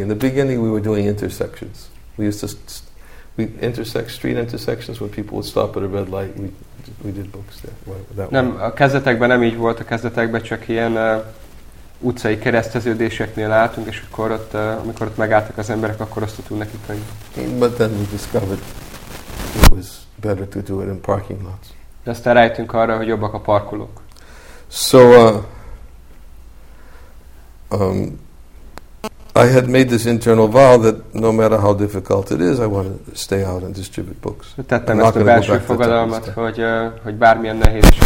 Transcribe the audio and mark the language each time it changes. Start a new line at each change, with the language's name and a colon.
English: In the beginning, we were doing intersections. We used to street intersections when people would stop at a red light. We did books there.
Hungarian: Nem, a kezdetekben nem így volt. A kezdetekben csak ilyen utcai kereszteződéseknél álltunk, és akkor ott, amikor ott megálltak az emberek, akkor azt tudtunk nekik adni.
English: But then we discovered it was better to do it in parking lots.
Hungarian: De aztán rájöttünk arra, hogy jobbak a parkolók.
English: So I had made this internal vow that no matter how difficult it is, I want to stay out and distribute books.
Hungarian: Tettem ezt a belső fogadalmat, hogy bármilyen nehéz.